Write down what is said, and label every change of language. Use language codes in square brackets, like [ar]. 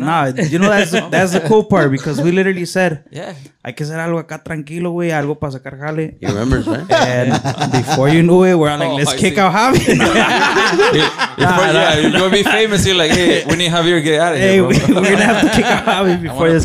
[en] Nah, you know, that's the cool part because we literally said, yeah, [es] hay que hacer algo acá tranquilo, güey, algo para sacar jale. [en] He remembers, man. And before you knew it, we're like, let's kick out Javi. You're going to be famous. You're like, hey, we need Javier to get out of here. Hey, bro. We're going to have to kick out Javi before this